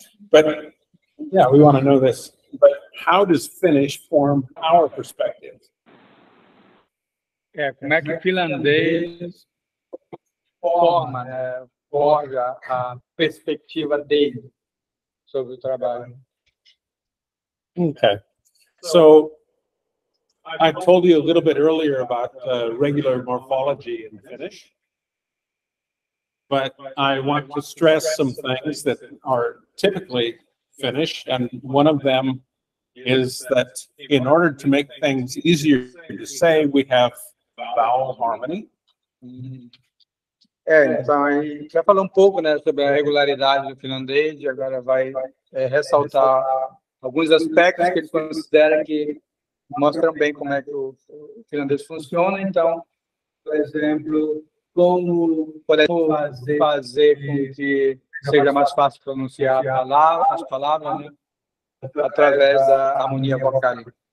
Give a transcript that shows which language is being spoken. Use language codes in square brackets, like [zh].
[en] But, yeah, we want to know this. But how does Finnish form our perspective? [pt] É, como é que o finlandês forja a perspectiva dele sobre o trabalho? [en] Okay. So, I told you a little bit earlier about regular morphology in Finnish, but I want to stress some things that are typically Finnish, and one of them is that in order to make things easier to say, we have vowel harmony. [pt] É, então, a gente já falou um pouco, né, sobre a regularidade do finlandês, e agora vai ressaltar alguns aspectos que ele considera que mostram bem como é que o finlandês funciona. Então, por exemplo, como fazer com que seja mais fácil pronunciar as palavras, né, através da harmonia vocálica.